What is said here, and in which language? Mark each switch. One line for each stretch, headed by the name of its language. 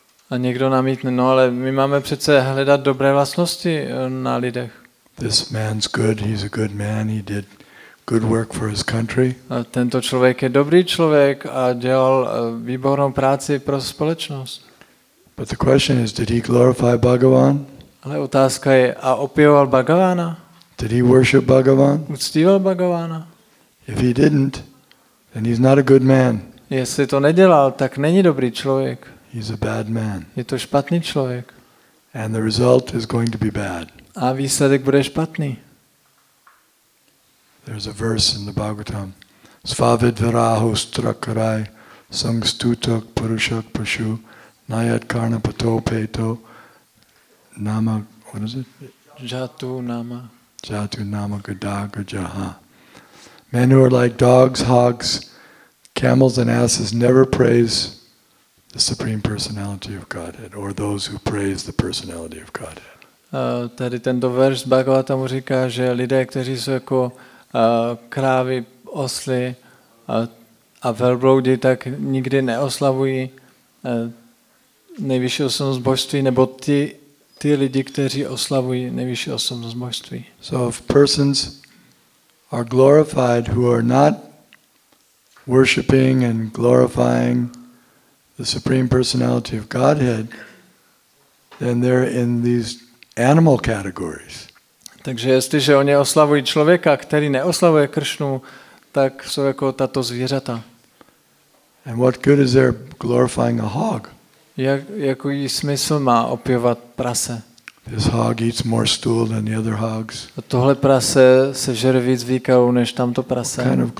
Czech: A někdo namítne, no, ale my máme přece hledat dobré vlastnosti na lidech.
English: This man's good, he's a good man, he did good work for his country.
Czech: A tento člověk je dobrý člověk a dělal výbornou práci pro společnost.
English: But the question is, did he glorify Bhagavan?
Czech: Ale otázka je, a opěval Bhagavana?
English: Did he worship Bhagavan?
Czech: Uctíval Bhagavana?
English: If he didn't, then he's not a good man.
Czech: Jestli to nedělal, tak není dobrý člověk.
English: He's a bad man.
Czech: Je to špatný člověk.
English: And the result is going to be bad.
Czech: A výsledek bude špatný.
English: There's a verse in the Bhagavatam.
Sanskrit: Svavidvaraho strakarai sangstutak purushak pashu nayat karna pato peto nama,
English: what is it?
Sanskrit: Jatu nama. Jatu nama gadaga jaha.
English: Men who are like dogs, hogs, Camels and asses never praise the Supreme Personality of Godhead or those who praise the Personality of Godhead.
Czech: Tady tento verš Bhagavatamu říká, že lidé, kteří jsou jako krávy, osly a velbloudi, tak nikdy neoslavují nejvyšší osobnost božství, nebo ty lidi, kteří oslavují nejvyšší osobnost božství.
English: So if persons are glorified who are not worshiping and glorifying the Supreme Personality of Godhead, then they're in these animal categories.
Czech: Takže jestliže oni oslavují člověka, který neoslavuje Kršnu, tak jsou jako tato zvířata.
English: And what good is there glorifying a hog?
Czech: Jaký smysl má opěvat prase?
English: This hog eats more stool than the other hogs.
Czech: A tohle prase se žere víc výkalů než tamto prase.